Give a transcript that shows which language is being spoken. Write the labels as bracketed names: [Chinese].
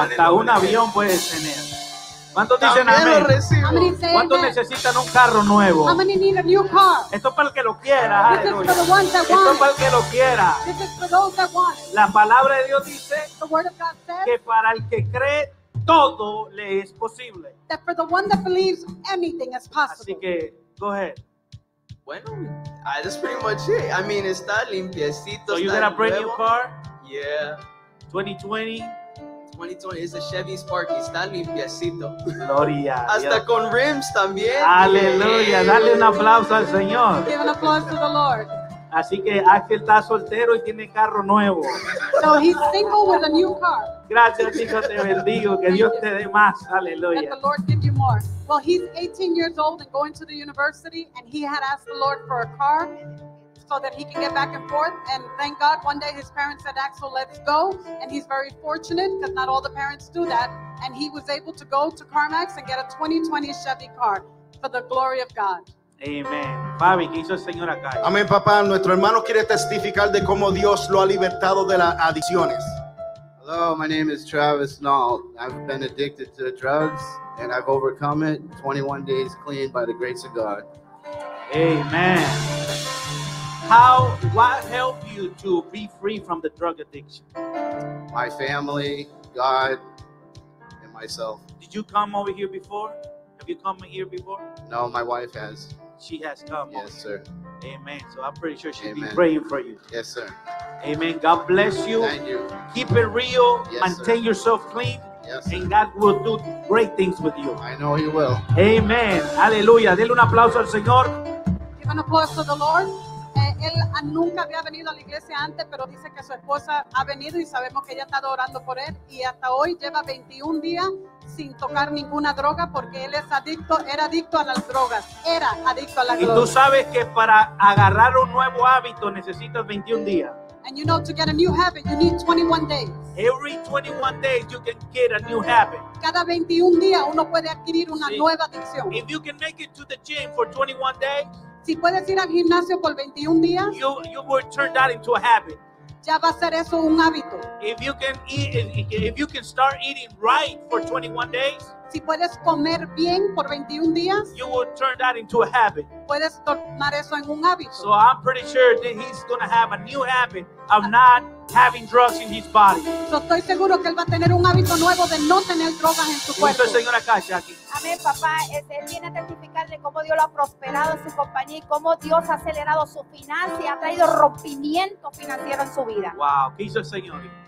[Spanish] Hasta un avión puedes tener. ¿Cuántos dicen amén? Lo recibo. ¿Cuántos necesitan un carro nuevo? [English] How many need a new car? [Spanish] Esto es para el que lo quiera. Esto es para el que lo quiera. [English] This is for those that want it. [Spanish] La palabra de Dios dice, [English] the word of God says, [Spanish] que para el que cree todo le es posible. [English] That for the one that believes anything is possible. [Spanish] Así que, [English] go ahead. Bueno, that's pretty much it. I mean, [Spanish] está limpiecito. [English] So you got a brand [Spanish] nuevo. [English] New car? Yeah. 2020 is a Chevy Spark. [Spanish] Está limpiecito. Gloria. Hasta Dios. Con rims también. Aleluya. Dale un aplauso al Señor. [English] Give an applause to the Lord. [Spanish] Así que Ángel está soltero y tiene carro nuevo. [English] So he's single with a new car. [Spanish] Gracias, hijo, te bendigo. Que Dios te dé más. Aleluya. [English] Let the Lord give you more. Well, he's 18 years old and going to the university, and he had asked the Lord for a car so that he can get back and forth. And thank God, one day his parents said, Axel, let's go. And he's very fortunate because not all the parents do that. And he was able to go to CarMax and get a 2020 Chevy car for the glory of God. [Spanish] Amén. Fabi, ¿qué hizo el Señor acá? Amén, papá. Nuestro hermano quiere testificar de cómo Dios lo ha libertado de las adicciones. [English] Hello, my name is Travis Nall. I've been addicted to drugs, and I've overcome it 21 days clean by the grace of God. Amen. How, what helped you to be free from the drug addiction? My family, God, and myself. Did you come over here before? Have you come here before? No, my wife has. She has come. Yes, sir. Amen. So I'm pretty sure she'll Amen. Be praying for you. Yes, sir. Amen. God bless you. Thank you. Keep it real. Yes, maintain Yourself clean. Yes, and God will do great things with you. I know he will. [Spanish] Amen. Aleluya. Dele un aplauso al Señor. [English] Give an applause to the Lord. [Spanish] Él nunca había venido a la iglesia antes, pero dice que su esposa ha venido y sabemos que ella está orando por él. Y hasta hoy lleva 21 días sin tocar ninguna droga porque él es adicto, era adicto a las drogas. Era adicto a las drogas. Y tú sabes que para agarrar un nuevo hábito necesitas 21 días. [English] And you know, to get a new habit, you need 21 days. Every 21 days, you can get a new habit. [Spanish] Cada 21 días, uno puede adquirir una See, nueva adicción. [English] If you can make it to the gym for 21 days, [Spanish] si puedes ir al gimnasio por 21 días, [English] you will turn that into a habit. [Spanish] Ya va a ser eso un hábito. [English] If you can eat, if you can start eating right for 21 days, [Spanish] si puedes comer bien por 21 días, [English] you will turn that into a habit. [Spanish] Puedes tornar eso en un hábito. [English] So I'm pretty sure that he's going to have a new habit of not having drugs in his body. [Spanish] So estoy seguro que él va a tener un hábito nuevo de no tener drogas en su cuerpo. Entonces, señora Cash, aquí. Amén, papá. Él viene a testificar de cómo Dios lo ha prosperado en su compañía y cómo Dios ha acelerado su finanzas y ha traído rompimiento financiero en su vida. Wow, ¿qué hizo el Señor?